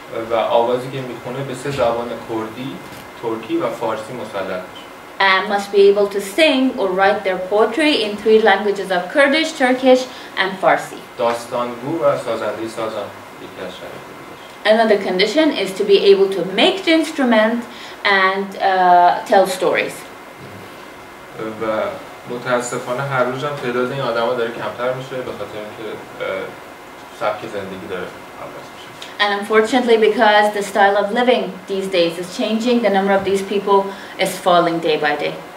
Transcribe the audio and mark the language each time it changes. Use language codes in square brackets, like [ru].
[fa] و آوازی که میخونه به سه زبان کردی، ترکی و فارسی مسلط باشه. [en] And must be able to sing or write their poetry in three languages of Kurdish, Turkish, and Farsi. [fa] داستانگو و سازنده سازان یکی از شرایط دیگه. [en] Another condition is to be able to make the instrument and tell stories. [fa] و متاسفانه هر روز هم تعداد این آدم‌ها داره کمتر میشه به خاطر اینکه سبک زندگی داره. [en] And unfortunately, because the style of living these days is changing, the number of these people is falling day by day.